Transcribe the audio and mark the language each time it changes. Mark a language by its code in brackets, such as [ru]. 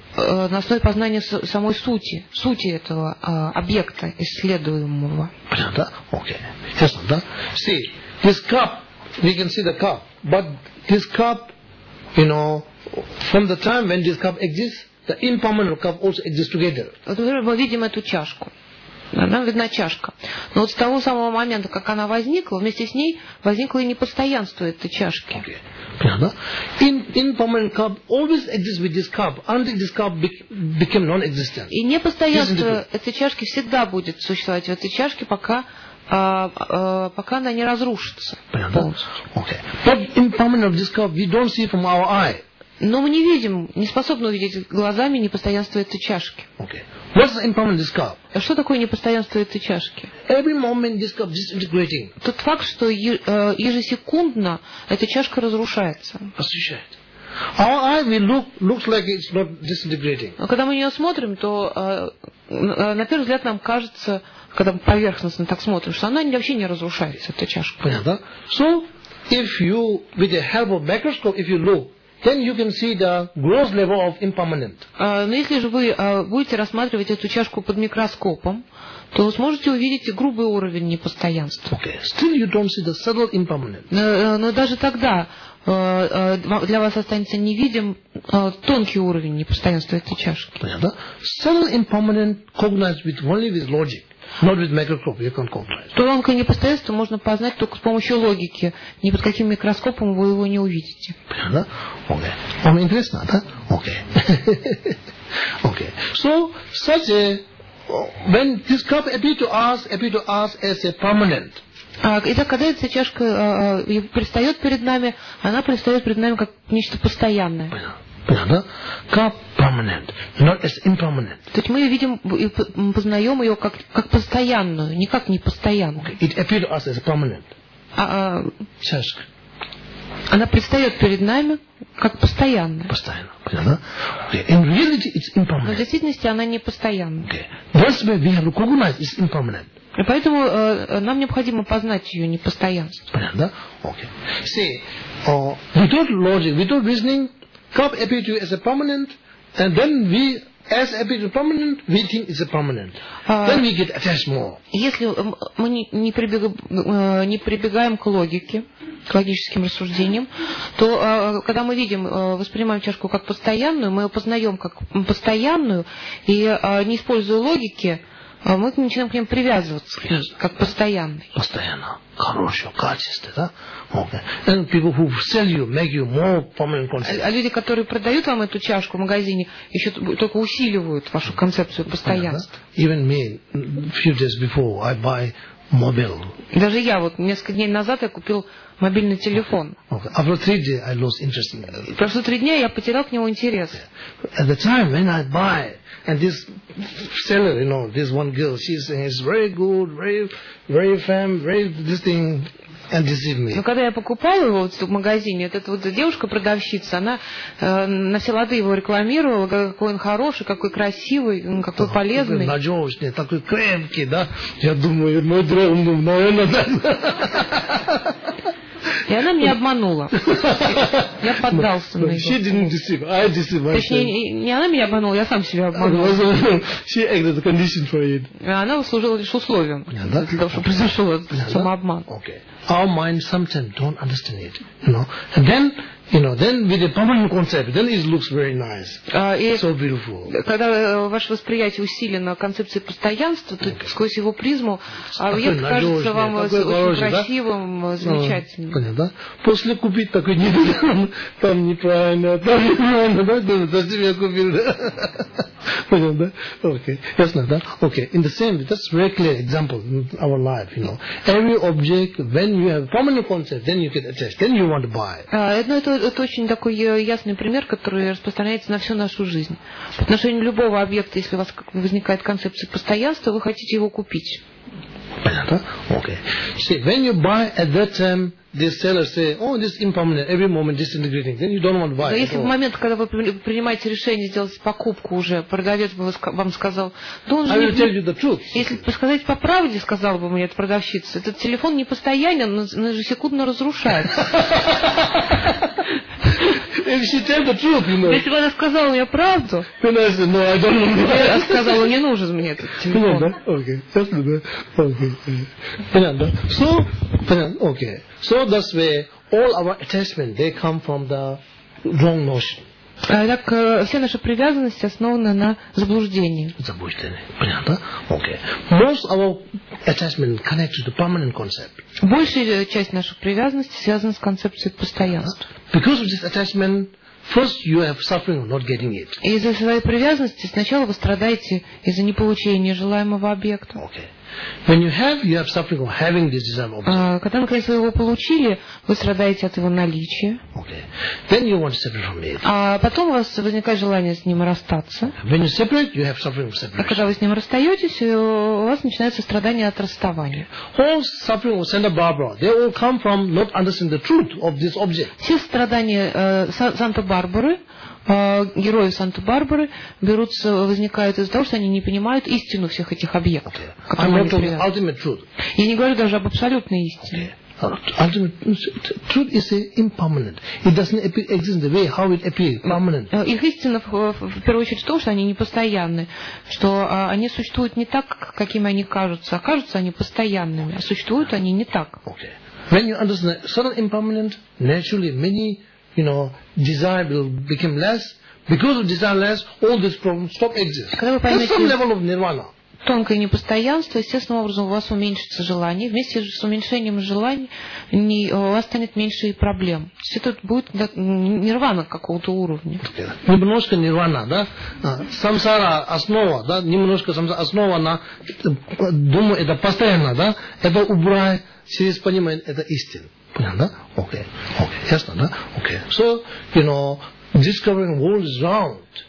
[ru] На основе познания самой сути, сути этого объекта исследуемого. Понятно? Окей. Ясно, да? [en] See, this cup, we can see the cup, but this cup, you know, from the time when this cup exists, the impermanent cup also exists together. [ru] Мы видим эту чашку. Нам видна чашка. Но вот с того самого момента, как она возникла, вместе с ней возникло и непостоянство этой чашки. Понятно? [en] Impermanent cup always exists with this cup, until this cup became non-existent. [ru] И непостоянство этой чашки всегда будет существовать в этой чашке, пока она не разрушится. Понятно? Okay. [en] But impermanent of this cup we don't see from our eye. [ru] Но мы не видим, не способны увидеть глазами непостоянство этой чашки. [en] Okay. What's the impermanent this cup? [ru] Что такое непостоянство этой чашки? [en] Every moment this cup disintegrating. [ru] Тот факт, что ежесекундно эта чашка разрушается. Освещает. [en] Our eye will looks like it's not disintegrating. [ru] Но когда мы ее смотрим, то на первый взгляд нам кажется, когда мы поверхностно так смотрим, что она вообще не разрушается, эта чашка. Понятно? [en] So, if you, with the help of microscope, if you look, then you can see the gross level of impermanent. [ru] Но если же вы будете рассматривать эту чашку под микроскопом, то вы сможете увидеть грубый уровень непостоянства. [en] Okay. Still you don't see the subtle impermanent. [ru] Но даже тогда для вас останется невидим тонкий уровень непостоянства этой чашки. Понятно? [en] Subtle impermanent cognized with only with logic. Not with microscope, you can't cognize. [ru] Тонкое непостоянство можно познать только с помощью логики. Ни под каким микроскопом вы его не увидите. Понятно? Okay. Вам интересно, да? Okay. Okay. [en] So, such a, when this cup appears to us as a permanent. [ru] Итак, когда эта чашка предстает перед нами, она предстает перед нами как нечто постоянное. Понятно? [en] Cup permanent, not as impermanent. [ru] То есть мы видим и познаем ее как постоянную, не как непостоянную. [en] It appears to us as permanent. [ru] Чашка. Она предстает перед нами как постоянная. Постоянно, понятно? [en] Okay. In reality, it's impermanent. [ru] Но в действительности она не постоянна. [en] Okay. That's why we have recognized it's impermanent. [ru] И поэтому нам необходимо познать ее непостоянство. Понятно, да? Okay. [en] See, without logic, without reasoning, cup appears to you as a permanent, and then we As a bit permanent, we think it's a permanent. Then we get attached more. [ru] Если мы не прибегаем к логике, к логическим рассуждениям, то когда мы видим, воспринимаем чашку как постоянную, мы ее познаем как постоянную, и не используя логики, мы начинаем к ним привязываться, [en] yes. [ru] Как постоянный. Постоянно. Хорошее качество, да? Okay. [en] And people who sell you, make you more permanent concept. [ru] А люди, которые продают вам эту чашку в магазине, еще только усиливают вашу концепцию постоянства. [en] Even me, few days before, I buy mobile. [ru] Даже я вот несколько дней назад я купил мобильный телефон. [en] Okay. Okay. After 3 days, I lost interest in it. [ru] Прошло 3 дня, я потерял к нему интерес. [en] Yeah. At the time when I buy, and this seller, you know, this one girl, she's saying it's very good, very, very femme, very this thing. And deceive me. [ru] Но когда я покупал его вот в магазине, вот эта вот девушка-продавщица, она на все лады его рекламировала, какой он хороший, какой красивый, какой полезный. Такой надежный, такой крепкий, да? Я думаю, мой дрон, ну, наверное, да. И она меня обманула. Я поддался на ее. [en] She didn't deceive, I deceive myself. [ru] Точнее, не она меня обманула, я сам себя обманул. [en] She acted the condition for it. [ru] Она служила лишь условием для того, чтобы произошел самообман. [en] Okay. Our mind sometimes don't understand it, you know. And then, you know, then with a permanent concept, then it looks very nice, so beautiful. [ru] Когда ваше восприятие усилено концепцией постоянства, то сквозь его призму, кажется вам очень красивым, замечательным. Понятно, да? После купить такой недоумен, там неправильно, там неправильно, да? Зачем я купил? Понятно, да? Okay, ясно, да? Okay. [en] In the same, that's very clear example in our life, you know. Every object, when you have permanent concept, then you get attached, then you want to buy. [ru] Это очень такой ясный пример, который распространяется на всю нашу жизнь. В отношении любого объекта, если у вас возникает концепция постоянства, вы хотите его купить. Понятно? Okay. [en] See, when you buy at that time, the seller say, oh, this impermanent, every moment disintegrating, then you don't want to buy. [ru] Но если в момент, когда вы принимаете решение сделать покупку уже, продавец бы вам сказал, то он же... [en] I will tell you the truth. [ru] Если сказать по правде, сказал бы мне эта продавщица, этот телефон не постоянен, он ежесекундно разрушается. [en] If she tells the truth, you know. [ru] Если бы она сказала мне правду, [en] then I said, no, I don't want to buy. [ru] Я сказала, не нужен мне этот телефон. Понятно, да? Окей. Ясно, да? Окей. Понятно, да? [en] So, [ru] okay. [en] So that's where all our attachments, they come from the wrong notion. [ru] Так все наши привязанности основаны на заблуждении. Заблуждение. Понятно? Okay. [en] Most of our attachment connects to the permanent concept. [ru] Большая часть наших привязанностей связана с концепцией постоянства. [en] Because of this attachment, first you have suffering of not getting it. [ru] Из-за своей привязанности сначала вы страдаете из-за неполучения желаемого объекта. [en] Okay. When you have suffering of having this desired object. [ru] Когда вы, конечно, его получили, вы страдаете от его наличия. [en] Okay. Then you want to separate from it. [ru] А потом у вас возникает желание с ним расстаться. [en] When you separate, you have suffering of separation. [ru] А когда вы с ним расстаетесь, у вас начинается страдание от расставания. [en] All suffering of Santa Barbara, they all come from not understanding the truth of this object. [ru] Все страдания Санта-Барбары, герои Санта-Барбары берутся, возникают из-за того, что они не понимают истину всех этих объектов. [en] Okay. I'm not talking about ultimate truth. [ru] Я не говорю даже об абсолютной истине. [en] Okay. Ultimate truth is impermanent. It doesn't exist the way how it appears, permanent. [ru] Их истина в первую очередь в том, что они непостоянны, что они существуют не так, какими они кажутся, а кажутся они постоянными, а существуют они не так. [en] Okay. When you understand certain impermanent, naturally many, you know, desire will become less. Because of desire less, all these problems stop existing. [ru] Когда вы поймете [en] some level of nirvana. [ru] Тонкое непостоянство, естественным образом у вас уменьшится желание. Вместе с уменьшением желаний у вас станет меньше проблем. То есть это будет нирвана какого-то уровня. Okay. Немножко нирвана, да? Самсара основа, да? Немножко самсара основа на... Думаю, это постоянно, да? Это убрай, через понимание, это истина. Понятно, да? Okay. Okay. Ясно, да? Okay. [en] So, you know, discovering the world is round.